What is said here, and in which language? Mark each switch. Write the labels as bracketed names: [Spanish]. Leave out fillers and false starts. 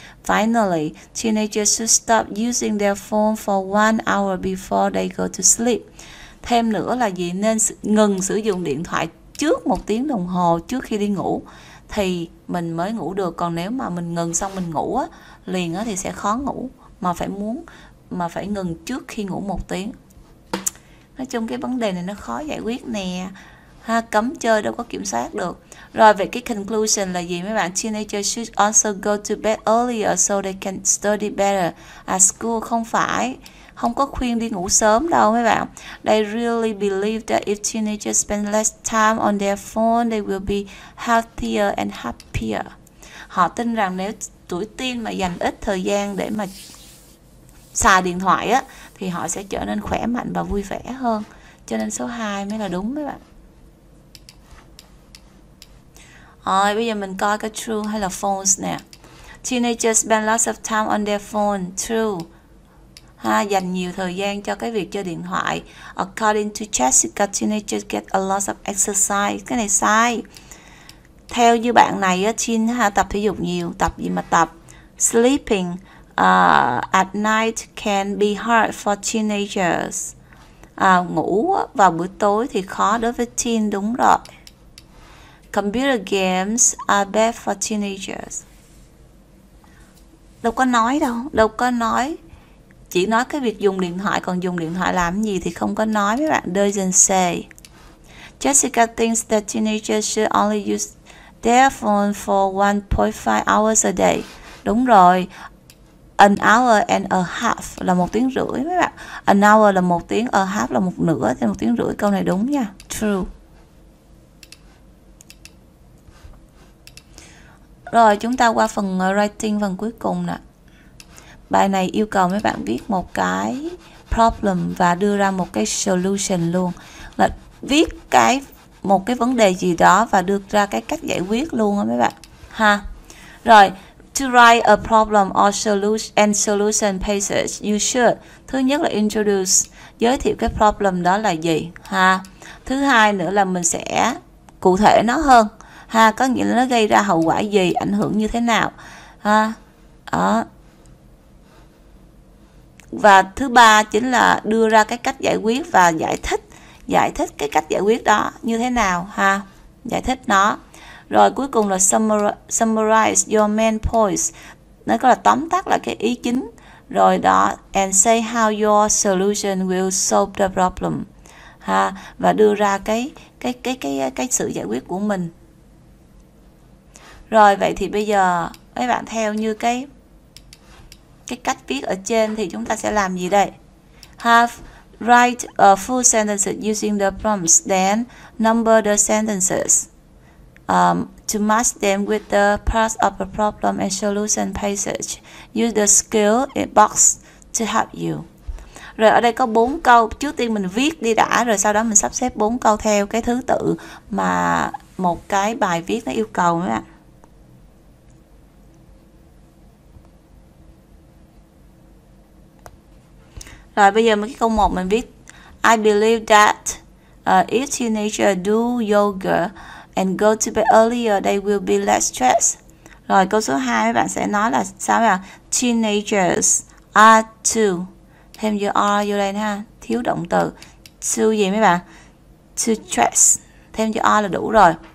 [English] Finally, teenagers should stop using their phone for one hour before they go to sleep. [Vietnamese] Thêm nữa là gì? Nên ngừng sử dụng điện thoại trước một tiếng đồng hồ trước khi đi ngủ. thì mình mới ngủ được. Còn nếu mà mình ngừng xong mình ngủ á, liền á, thì sẽ khó ngủ, mà phải ngừng trước khi ngủ 1 tiếng. Nói chung cái vấn đề này nó khó giải quyết nè ha, cấm chơi đâu có kiểm soát được. Rồi vậy cái conclusion là gì mấy bạn? [English] Teenagers should also go to bed earlier so they can study better at school. [Vietnamese] Không phải, không có khuyên đi ngủ sớm đâu mấy bạn. [English] They really believe that if teenagers spend less time on their phone, they will be healthier and happier. [Vietnamese] Họ tin rằng nếu tuổi teen mà dành ít thời gian để mà xài điện thoại á, thì họ sẽ trở nên khỏe mạnh và vui vẻ hơn. Cho nên số 2 mới là đúng mấy bạn. Rồi bây giờ mình coi cái true hay là false nè. [English] Teenagers spend lots of time on their phone. True. [Vietnamese] Ha, dành nhiều thời gian cho cái việc chơi điện thoại. [English] According to Jessica, teenagers get a lot of exercise. [Vietnamese] Cái này sai. Theo như bạn này á, teen ha, tập thể dục nhiều. Tập gì mà tập? [English] Sleeping at night can be hard for teenagers. [Vietnamese] Ngủ vào buổi tối thì khó đối với teen, đúng rồi. [English] Computer games are bad for teenagers. [Vietnamese] Đâu có nói đâu, đâu có nói. Chỉ nói cái việc dùng điện thoại, còn dùng điện thoại làm gì thì không có nói với bạn. [English] Doesn't say. Jessica thinks that teenagers should only use their phone for 1.5 hours a day. [Vietnamese] Đúng rồi. [English] An hour and a half [Vietnamese] là 1 tiếng rưỡi mấy bạn. An hour là 1 tiếng, a half là một nửa, thì 1 tiếng rưỡi. Câu này đúng nha. [English] True. [Vietnamese] Rồi chúng ta qua phần writing, phần cuối cùng nè. Bài này yêu cầu mấy bạn viết một cái problem và đưa ra một cái solution luôn. Là viết cái một cái vấn đề gì đó và đưa ra cái cách giải quyết luôn á mấy bạn. Ha. [English] Rồi, to write a problem or solution and solution passage, you should. [Vietnamese] Thứ nhất là introduce, giới thiệu cái problem đó là gì ha. Thứ hai nữa là mình sẽ cụ thể nó hơn ha, có nghĩa là nó gây ra hậu quả gì, ảnh hưởng như thế nào ha. Đó. Và thứ ba chính là đưa ra cái cách giải quyết và giải thích cái cách giải quyết đó như thế nào ha, giải thích nó. Rồi cuối cùng là [English] summarize your main points, [Vietnamese] nó có là tóm tắt lại cái ý chính rồi đó, [English] and say how your solution will solve the problem [Vietnamese] ha, và đưa ra cái sự giải quyết của mình. Rồi vậy thì bây giờ mấy bạn theo như cái cách viết ở trên thì chúng ta sẽ làm gì đây? [English] Have write a full sentence using the prompts, then number the sentences. To match them with the parts of a problem and solution passage. Use the skill in box to help you. [Vietnamese] Rồi ở đây có 4 câu, trước tiên mình viết đi đã, rồi sau đó mình sắp xếp 4 câu theo cái thứ tự mà một cái bài viết nó yêu cầu mấy bạn. Rồi bây giờ mấy cái câu 1 mình viết. [English] I believe that if teenagers do yoga and go to bed earlier, they will be less stressed. [Vietnamese] Rồi câu số 2 mấy bạn sẽ nói là sao ạ? [English] Teenagers are to, [Vietnamese] thêm chữ are vô đây ha, thiếu động từ. To gì mấy bạn? [English] To stress, [Vietnamese] thêm chữ are là đủ rồi.